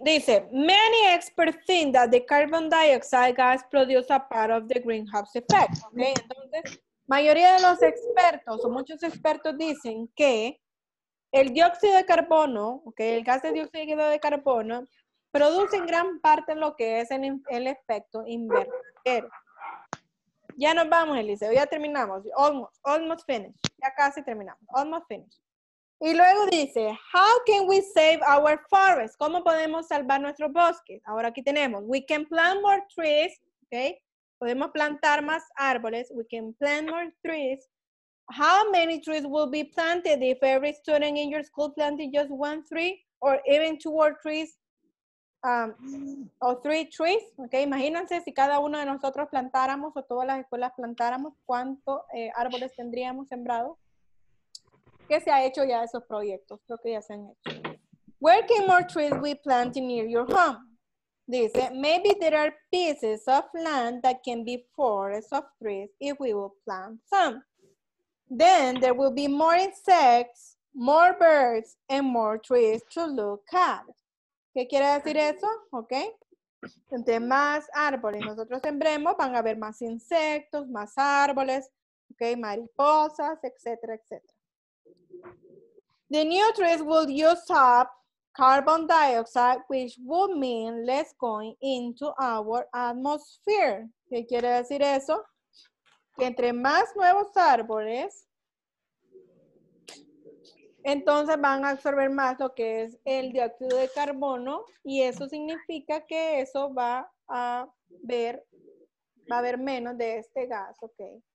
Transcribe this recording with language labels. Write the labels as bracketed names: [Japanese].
[English] Dice, many experts think that the carbon dioxide gas produces a part of the greenhouse effect. Okay? [Spanish] Entonces, mayoría de los expertos o muchos expertos dicen que el dióxido de carbono, okay, el gas de dióxido de carbono, produce en gran parte lo que es el efecto invernadero. Ya nos vamos, Eliseo, ya terminamos. [English] Almost finished. [Spanish] Ya casi terminamos. Almost finished. Y luego dice, [English] how can we save our forests? [Spanish] ¿Cómo podemos salvar nuestros bosques? Ahora aquí tenemos, [English] we can plant more trees, okay? [Spanish] Podemos plantar más árboles, [English] we can plant more trees. How many trees will be planted if every student in your school planted just one tree or even two or trees, o three trees, okay? [Spanish] Imagínense si cada uno de nosotros plantáramos o todas las escuelas plantáramos, ¿cuántos árboles tendríamos sembrados? ¿Qué se ha hecho ya esos proyectos? Creo que ya se han hecho. [English] Where can more trees be planted near your home? Dice, maybe there are pieces of land that can be forests of trees if we will plant some. Then there will be more insects, more birds, and more trees to look at. [Spanish] ¿Qué quiere decir eso? ¿Ok? Entre más árboles nosotros sembremos, van a haber más insectos, más árboles, ¿ok? Mariposas, etcétera, etcétera. [English] The new trees will use up carbon dioxide, which would mean less going into our atmosphere. [Spanish] ¿Qué quiere decir eso? Que entre más nuevos árboles, entonces van a absorber más lo que es el dióxido de carbono, y eso significa que eso va a haber menos de este gas, ¿ok?